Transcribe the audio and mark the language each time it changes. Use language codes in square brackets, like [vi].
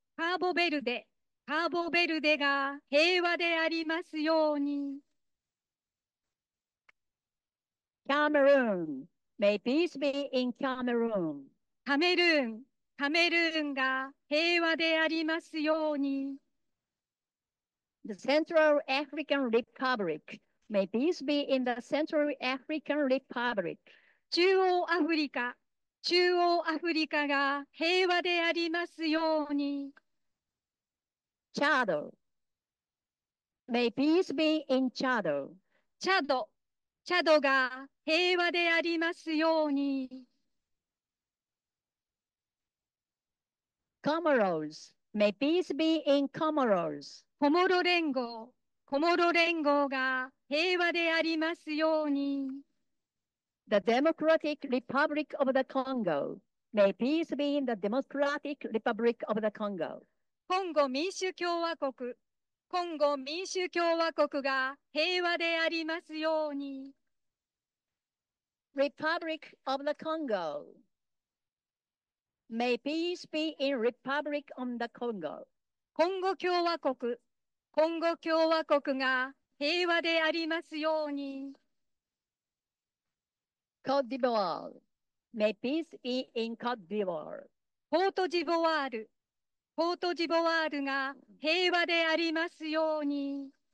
[ja] カーボベルデ、カーボベルデが平和でありますように。 [en] カメルーン、May peace be in Cameroon. [ja] カメルーン、カメルーンが平和でありますように。 [en] The Central African Republic. May peace be in the Central African Republic. [ja] 中央アフリカ、中央アフリカが平和でありますように。 [en] チャド。May peace be in チャド。 [ja] チャド、チャドが平和でありますように。 [en] コモロス、May peace be in コモロス。 [ja] コモロ連合、コモロ連合が平和でありますように。 [en] The Democratic Republic of the Congo, May peace be in the Democratic Republic of the Congo. [ja] コンゴ民主共和国、コンゴ民主共和国が平和でありますように。 [en] Republic of the Congo. May peace be in Republic of the Congo. [ja] コンゴ共和国、コンゴ共和国が平和でありますように。 [en] Côte d'Ivoire. May peace be in Côte d'Ivoire. [ja] コートジボワール、コートジボワールが平和でありますように。